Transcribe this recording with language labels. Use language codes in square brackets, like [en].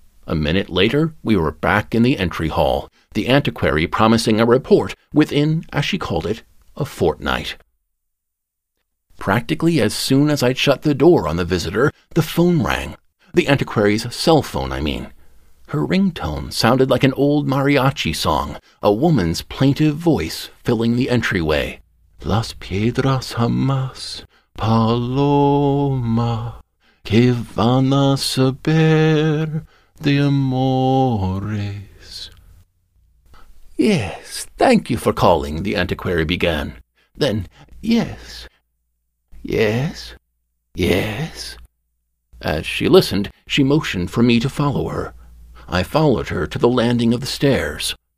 [en] A minute later, we were back in the entry hall, the antiquary promising a report within, as she called it, a fortnight. Practically as soon as I'd shut the door on the visitor, the phone rang. The antiquary's cell phone, I mean. Her ringtone sounded like an old mariachi song, a woman's plaintive voice filling the entryway. [es] "Las piedras jamás, paloma, que van a saber de amores." [en] "Yes, thank you for calling," the antiquary began. Then, "Yes, yes, yes." As she listened, she motioned for me to follow her. I followed her to the landing of the stairs.